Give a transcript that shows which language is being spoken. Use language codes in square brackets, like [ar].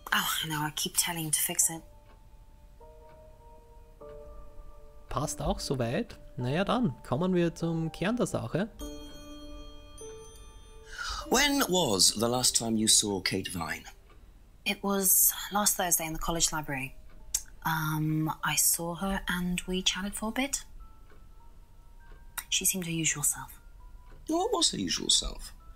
[en] Oh, I know. I keep telling him to fix it. [de] Passt auch soweit. Naja, dann kommen wir zum Kern der Sache. [en] When was the last time you saw Kate Vine? It was last Thursday in the college library. I saw her and we chatted for a bit. She seemed her usual self. What was her usual self?